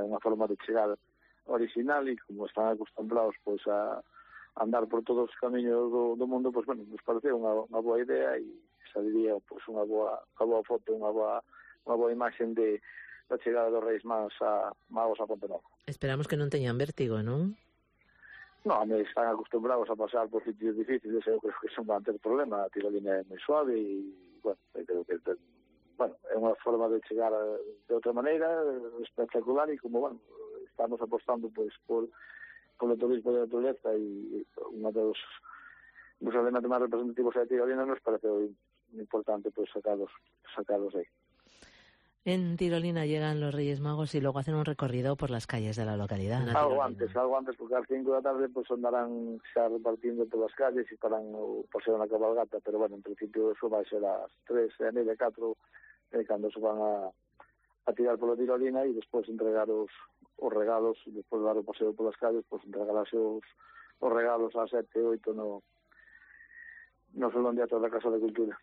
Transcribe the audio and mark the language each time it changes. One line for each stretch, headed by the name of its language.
Spanish: Era una forma de llegar original y como están acostumbrados pues a andar por todos los caminos del mundo, pues bueno, nos pareció una buena idea y saliría pues una buena foto,
Galician: una boa imaxe da chegada dos Reis Magos a Ponte Nova. Esperamos que non teñan vértigo, non?
Spanish: No, a mí están acostumbrados a pasar por sitios difíciles,
Galician: eu creo que son van ter problema, a tirolina é moi suave e, bueno, creo que bueno, é unha forma de chegar de outra maneira, espectacular e como, bueno, estamos apostando pues, por o turismo de naturaleza e unha dos elementos máis representativos da tirolina nos parece importante pues, sacarlos aí.
Spanish: En tirolina llegan los Reyes Magos y luego hacen un recorrido por las calles de la localidad. Algo antes, porque a las 5 de la tarde pues andarán ya repartiendo por las calles y estarán paseando la cabalgata, pero bueno, en principio eso va a ser a las 3, a media, 4, cuando se van a tirar por la tirolina y después entregar los regalos, y después de dar un paseo por las calles, pues entregarás los regalos a 7, 8, no sé dónde está la Casa de Cultura.